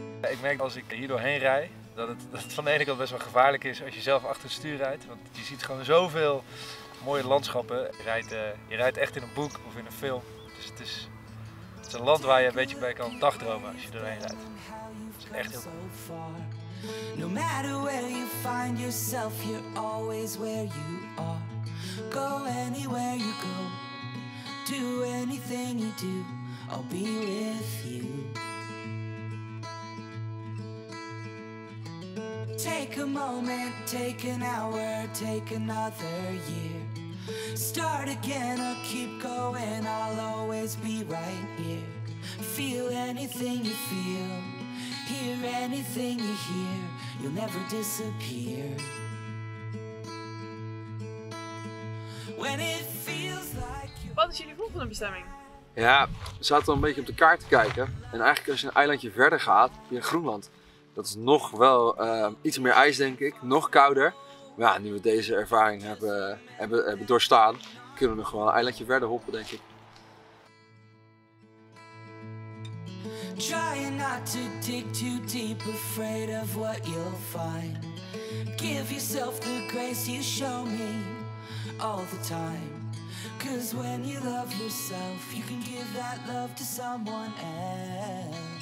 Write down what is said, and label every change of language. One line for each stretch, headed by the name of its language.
Dutch: Ik merk als ik hier doorheen rijd, dat het van de ene kant best wel gevaarlijk is als je zelf achter het stuur rijdt. Want je ziet gewoon zoveel mooie landschappen. Je rijdt echt in een boek of in een film. Dus het is een land waar je een beetje bij kan dagdromen als je doorheen rijdt. Dat is echt heel cool.
English: No matter where you find yourself, you're always where you are. Go anywhere you go, do anything you do, I'll be with you. Take a moment, take an hour, take another year. Start again or keep going, I'll always be right here. Feel anything you feel, hear anything you hear, you'll never disappear. When it feels like you...
Dutch: Wat is jullie volgende bestemming? Ja, we zaten al een beetje op de kaart te kijken. En eigenlijk als je een eilandje verder gaat, heb je Groenland. Dat is nog wel iets meer ijs, denk ik. Nog kouder. Maar ja, nu we deze ervaring hebben doorstaan, kunnen we nog wel een eilandje verder hoppen, denk ik.
English: Trying not to dig too deep, afraid of what you'll find. Give yourself the grace you show me all the time. Cause when you love yourself, you can give that love to someone else.